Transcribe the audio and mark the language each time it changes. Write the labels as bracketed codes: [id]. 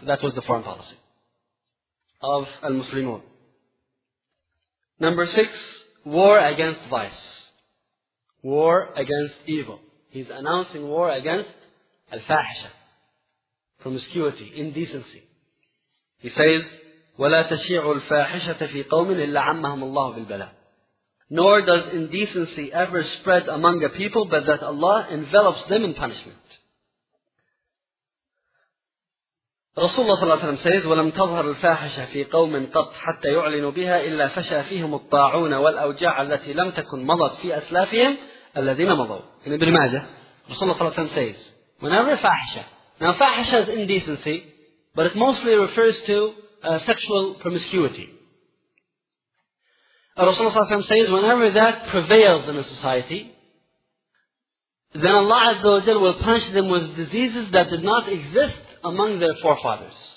[en] That was the foreign policy of al-Muslimun. Number 6, war against vice. War against evil. He's announcing war against al-fahisha, promiscuity, indecency. He says, [ar] وَلَا تَشِيعُ الْفَاحِشَةَ فِي قَوْمٍ إِلَّا عَمَّهُمُ اللَّهُ بِالْبَلَاءِ. [en] Nor does indecency ever spread among a people but that Allah envelops them in punishment. Rasulullah sallallahu alayhi wa sallam says, [ar] وَلَمْ تَظْهَرُ الْفَاحِشَةَ فِي قَوْمٍ قَطْ حَتَّى يُعْلِنُ بِهَا إِلَّا فَشَى فِيهُمُ الطَّاعُونَ وَالْأَوْجَاعَ الَّتِي لَمْ تَكُنْ مَضَتْ فِي أَسْلَافِهِمْ الَّذِينَ مَضَوْا. [en] In Ibn Majah, Rasulullah sallallahu alayhi wa sallam says, whenever fahisha, now fahisha is indecency, but it mostly refers to sexual promiscuity. Rasulullah says, whenever that prevails in a society, then Allah Azza wa Jal will punish them with diseases that did not exist among their forefathers.